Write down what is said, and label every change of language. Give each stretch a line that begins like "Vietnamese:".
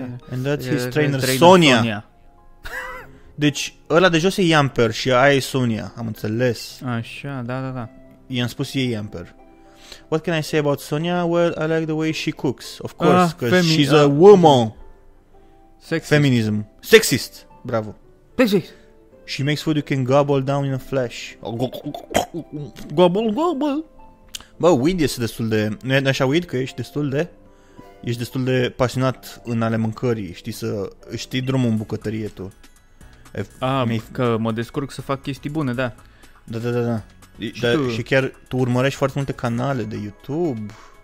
English: And that's his trainer, Sonia.
Romanian: Deci ăla de jos e Iamper și aia e Sonia. Am înțeles. Așa, da. I-am spus ei Iamper.
English: What can I say about Sonia? Well, I like the way she cooks, of course, because she's a woman.
Romanian: Sexist. Feminism. Sexist. Bravo. Sexist.
English: She makes food you can gobble down in a flash. Gobble.
Romanian: Bă, weed este destul de... Nu e așa weed că ești destul de pasionat în ale mâncării. Știi drumul în bucătărie tu. Că mă descurc să fac chestii bune, da. Da. Și chiar tu urmărești foarte multe canale de YouTube.